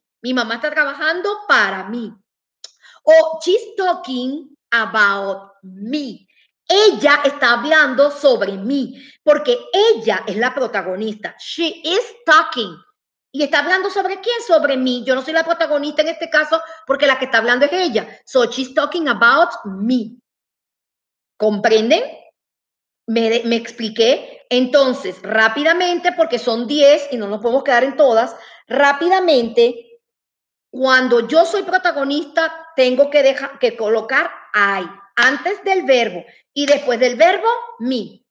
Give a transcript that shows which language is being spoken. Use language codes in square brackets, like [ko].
[es] Mi mamá está trabajando para mí. O [en] she's talking about me. [es] Ella está hablando sobre mí, porque ella es la protagonista. [en] She is talking. [es] ¿Y está hablando sobre quién? Sobre mí. Yo no soy la protagonista en este caso, porque la que está hablando es ella. [en] So she's talking about me. [es] ¿Comprenden? ¿Me expliqué? Entonces, rápidamente, porque son 10 y no nos podemos quedar en todas, rápidamente, cuando yo soy protagonista, tengo que colocar I antes del verbo y después del verbo, me.